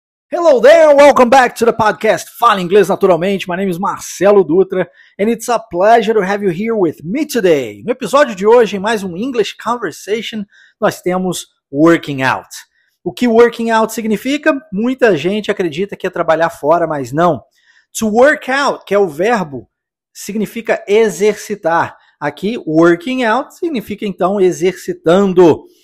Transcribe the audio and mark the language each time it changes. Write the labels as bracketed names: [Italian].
[English] Hello there, welcome back to the podcast Fala Inglês Naturalmente. My name is Marcelo Dutra, and it's a pleasure to have you here with me today. [Portuguese] No episódio de hoje, em mais um English Conversation, nós temos Working Out. O que Working Out significa? Muita gente acredita que é trabalhar fora, mas não. To work out, que é o verbo, significa exercitar. Aqui, Working Out significa, então, exercitando.